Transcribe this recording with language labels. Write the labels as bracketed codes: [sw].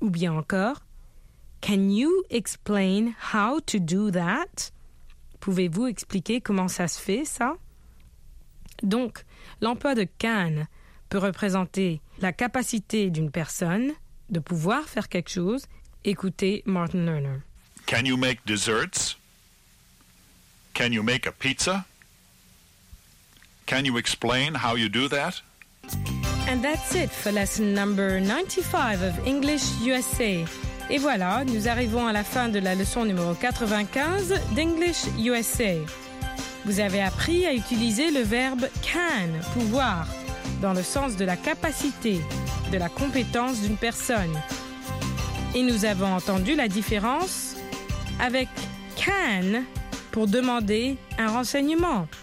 [fr] Ou bien encore [en] « Can you explain how to do that? [fr] Pouvez-vous expliquer comment ça se fait, ça? Donc, l'emploi de can peut représenter la capacité d'une personne de pouvoir faire quelque chose. Écoutez Martin Lerner. [en] Can you make desserts? Can you make a pizza? Can you explain how you do that? And that's it for lesson number 95 of English USA. [fr] Et voilà, nous arrivons à la fin de la leçon numéro 95 d'English USA. Vous avez appris à utiliser le verbe can, pouvoir, dans le sens de la capacité, de la compétence d'une personne. Et nous avons entendu la différence avec can pour demander un renseignement.